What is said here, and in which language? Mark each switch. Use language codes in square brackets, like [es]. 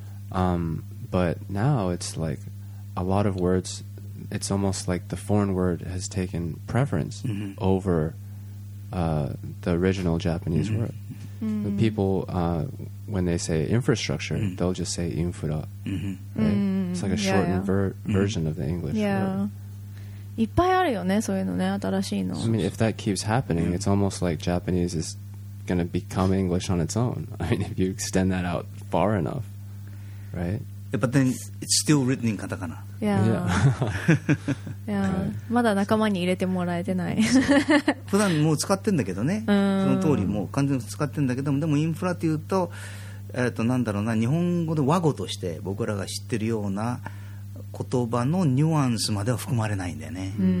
[en] But now it's like a lot of words, it's almost like the foreign word has taken preference over the original Japanese word. The people, when they say infrastructure, they'll just say infra. It's like a shortened version of the English word. [ja] いっぱいあるよね、そういうのね、新しいの。 [en] I mean, if that keeps happening, it's almost like Japanese is going to become English on its own. I mean, if you extend that out far enough, right? Yeah, but then it's still written in katakana. Yeah. Yeah. [ja] まだ仲間に入れてもらえてない。普段もう使ってんだけどね。その通り、もう完全に使ってんだけども、でもインフラっていうと、なんだろうな、日本語で和語として僕らが知ってるような言葉のニュアンスまでは含まれないんだよね。